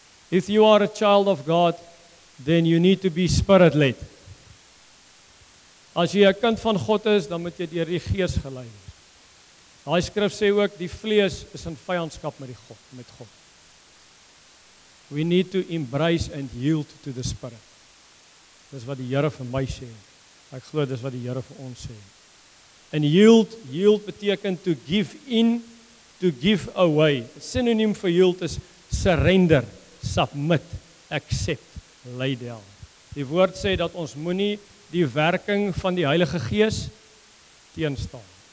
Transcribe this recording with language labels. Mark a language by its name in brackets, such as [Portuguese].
[English] If you are a child of God, then you need to be spirit-led. [Afrikaans] As jy 'n kind van God is, dan moet jy deur die Gees gelei word. Daai skrif sê ook die vlees is in vyandskap met God. [English] We need to embrace and yield to the Spirit. [Afrikaans] Dis wat die Here vir my sê. Ek glo dis wat die Here vir ons sê. En [English] yield [Afrikaans] beteken [English] to give in, to give away. [Afrikaans] Synoniem vir [English] yield [Afrikaans] is [English] surrender, submit, accept, lay down. [Afrikaans] Die woord sê dat ons moenie die werking van die Heilige Gees teenstaan.